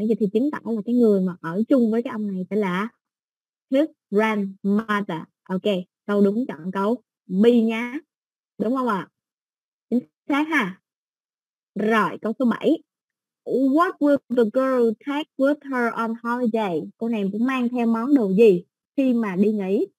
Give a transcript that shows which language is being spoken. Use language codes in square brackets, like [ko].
[vi] Vậy thì chính tỏ là cái người mà ở chung với cái ông này sẽ là [en] his grandmother. [vi] Ok, câu đúng chọn câu B nha. Đúng không ạ? Chính xác ha. Rồi, câu số 7. [en] What will the girl take with her on holiday? [vi] Cô này cũng mang theo món đồ gì khi mà đi nghỉ?